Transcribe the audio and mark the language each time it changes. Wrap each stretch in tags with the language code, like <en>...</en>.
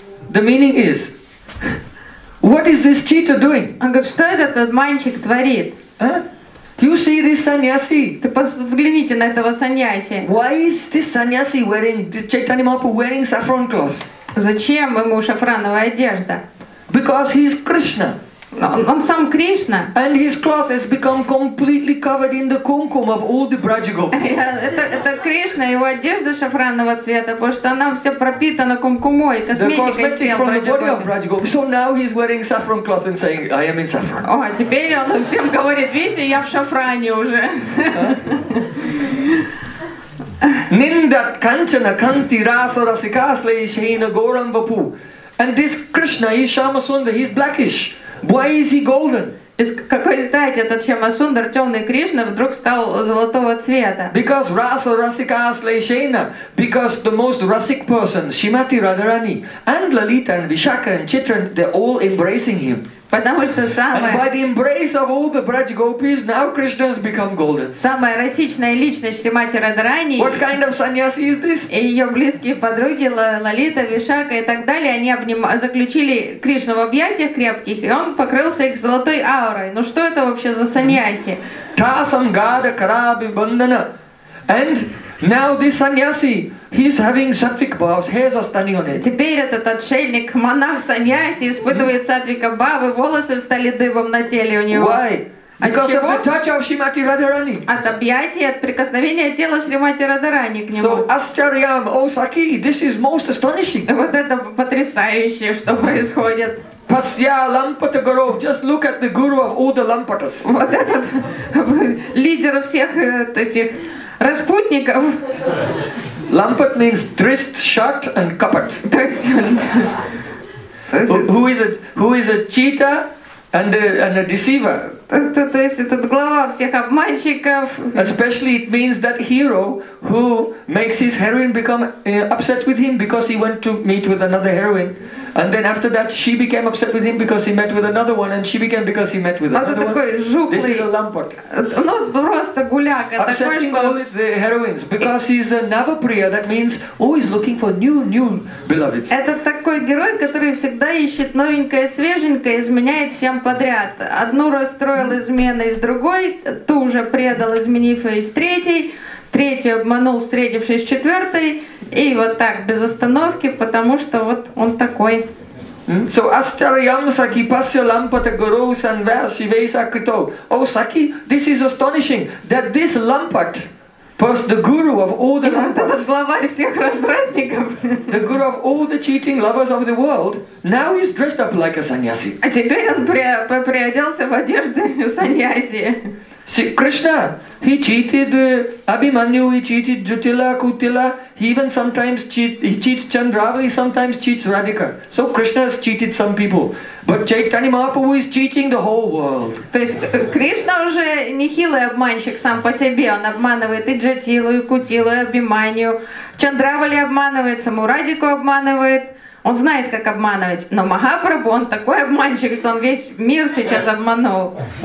<en>The meaning is, what is this cheater doing?</en> <ru>Он говорит, что этот обманщик творит?</ru> <en>You see this sannyasi?</en> <ru>Ты взгляните на этого sannyasi.</ru> <en>Why is this sannyasi wearing, this Chaitanya Mahaprabhu wearing saffron clothes?</en> <ru>Зачем ему шафрановая одежда?</ru> <en>Because he is Krishna.</en> <ru>Он сам Кришна.</ru> <en>And his cloth has become completely covered in the kumkum of all the Brajagopis.</en> <ru>Это Кришна, его одежда шафранного цвета, потому что она вся пропитана кумкумой, косметикой.</ru> <en>The cosmetic from the body of Brajagopis. So now he's wearing saffron cloth and saying, I am in saffron.</en> <ru>О, теперь он всем говорит, видите, я в шафране уже.</ru> <sa>Ниндат канчана канти раса расикасле ишхина горан вапу.</sa> <en>And this Krishna, he's Shamasundar, he's blackish. Why is he golden?</en> <ru>Какой знать этот Шамасундар, темный Кришна, вдруг стал золотого цвета?</ru> <en>Because</en> <sa>rasa rasika asleshena.</sa> <en>Because the most rasic person, Shrimati Radharani, and Lalita, and Vishakha, and Chitran, they're all embracing him.</en> <ru>Потому что самое.</ru> <en>By the embrace of all the Braj Gopis, now Krishna has become golden.</en> <ru>Самая расичная личность Шримати Радарани.</ru> <en>What kind of sannyasi is this?</en> <ru>И ее близкие подруги Лалита, Вишака и так далее, они заключили Кришну в объятиях крепких, и он покрылся их золотой аурой. Ну что это вообще за sannyasi?</ru> <sa>Тасам гада караби бандана.</sa> <en>And now this sannyasi, he's having sattvic bhavs, hairs are standing on it.</en> <ru>Теперь этот отшельник, монах саньяси, испытывает сатвика бхавы, волосы встали дыбом на теле у него.</ru> <en>Why? Because of the touch of Shrimati Radharani.</en> <ru>От объятий, от прикосновения тела Шримати Радарани к нему.</ru> <en>So Ashcharyam, oh Sakhi, this is most astonishing.</en> <ru>Вот это потрясающе, что происходит.</ru> <sa>Pasya Lampatagaro,</sa> <en>just look at the guru of all the Lampatas.</en> <ru>Вот этот лидер всех этих распутников.</ru> <en>Lampat means trist, shut, and kapat. who is a cheater and a deceiver?</en> <ru>То есть этот глава всех обманщиков.</ru> <en>Especially it means that hero who makes his heroine become upset with him because he went to meet with another heroine. And then after that she became upset with him because he met with another one, and she became because he met with another one.</en> <ru>Жухлый.</ru> <en>This is a lampart.</en> <ru>Ну, просто гуляка.</ru> <en>Upsetting all the heroines because he's a Navapriya, that means always looking for new beloveds.</en> <ru>Это такой герой, который всегда ищет новенькое, свеженькое, изменяет всем подряд. Одну расстроил изменой с другой, ту же предал, изменив ее с третьей, третью обманул, встретившись с четвертой. И вот так, без остановки, потому что вот он такой.</ru> <sa>So Ashcharyam Sakhi Pasya Lampata Guru Sanvaya Shivai Sakrito.</sa> <en>Oh Sakhi, this is astonishing that this Lampat was the guru of all the Lampats.</en> <ru>Это главарь всех развратников.</ru> <en>The guru of all the cheating lovers of the world, now he's dressed up like a sannyasi.</en> <ru>А теперь он приоделся в одежды саньяси.</ru> <en>See, Krishna, he cheated Abhimanyu, he cheated Jutila, Kutila, he even sometimes cheats Chandravali, sometimes cheats Radhika. So Krishna has cheated some people. But Chaitanya Mahaprabhu is cheating the whole world.</en> <ru>То есть Кришна уже нехилый обманщик сам по себе. Он обманывает и Джатилу, и Кутилу, и Абхиманию. Чандравали обманывает, саму Радику обманывает. Он знает, как обманывать, но Махапрабху, он такой обманщик, что он весь мир сейчас обманул.</ru>